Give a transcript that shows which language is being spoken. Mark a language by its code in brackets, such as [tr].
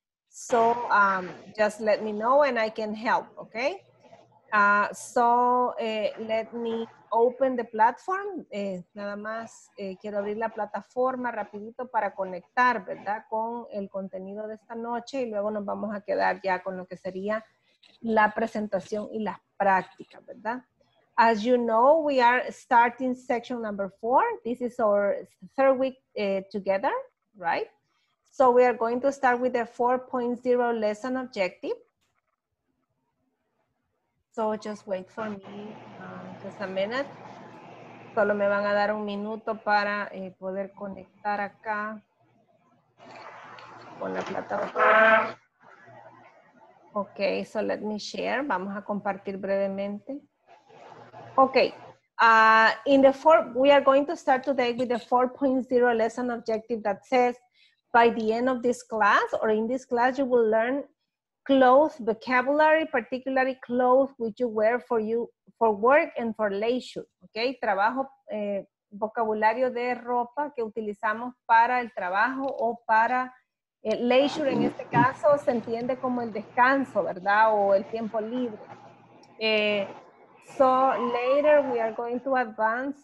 [en] So, just let me know and I can help, okay? Let me open the platform. [es] Nada más quiero abrir la plataforma rapidito para conectar, ¿verdad? Con el contenido de esta noche y luego nos vamos a quedar ya con lo que sería la presentación y las prácticas, ¿verdad? [en] As you know, we are starting section number 4. This is our third week together, right? So we are going to start with the 4.0 lesson objective. So just wait for me, just a minute. [es] Solo me van a dar un minuto para poder conectar acá con la plataforma. [en] Okay, so let me share. [es] Vamos a compartir brevemente. [en] Okay. We are going to start today with the 4.0 lesson objective that says, by the end of this class, or in this class, you will learn clothes vocabulary, particularly clothes which you wear for you for work and for leisure. [es] Okay, trabajo, vocabulario de ropa que utilizamos para el trabajo o para leisure. En este caso, se entiende como el descanso, ¿verdad? O el tiempo libre. [en] So later we are going to advance.